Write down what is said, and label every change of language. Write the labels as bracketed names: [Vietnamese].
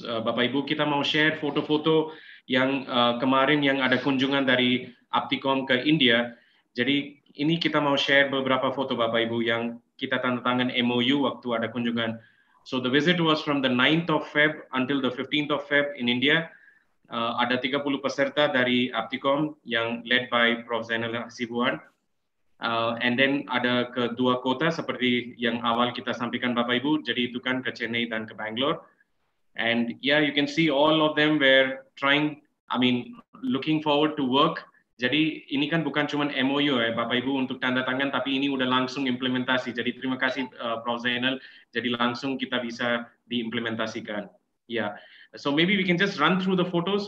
[Indonesian] Bapak Ibu kita mau share foto-foto yang kemarin yang ada kunjungan dari APTIKOM ke India. Jadi ini kita mau share beberapa foto Bapak Ibu yang kita tanda tangan MOU waktu ada kunjungan. [English] So the visit was from the 9th of Feb until the 15th of Feb in India. [Indonesian] Ada 30 peserta dari APTIKOM yang [English] led by [Indonesian] Prof. Zainal Hasibuan. [English] And then [Indonesian] ada ke dua kota seperti yang awal kita sampaikan Bapak Ibu, jadi itu kan ke Chennai dan ke Bangalore. [English] And yeah, you can see all of them were trying, I mean, looking forward to work. [Indonesian] Jadi ini kan bukan cuma MOU ya Bapak Ibu untuk tanda tangan, tapi ini udah langsung implementasi. Jadi terima kasih Prof. Zainal, jadi langsung kita bisa diimplementasikan. [English] Yeah, so maybe we can just run through the photos.